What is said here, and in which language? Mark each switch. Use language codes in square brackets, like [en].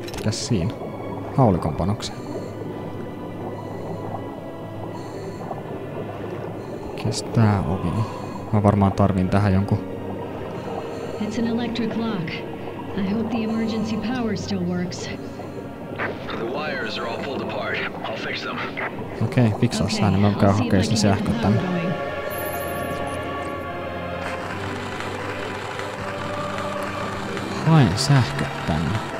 [fi] Siinä. Haulikon panoksen. Mikäs tää ovi? Mä varmaan tarvin tähän jonkun. [en] It's an electric lock. I hope the emergency power still works. The wires are all pulled apart. I'll fix them. [fi] Okei, fiksaa sää, niin mä käyn hakee sen sähkö tänne. Haen sähkö tänne.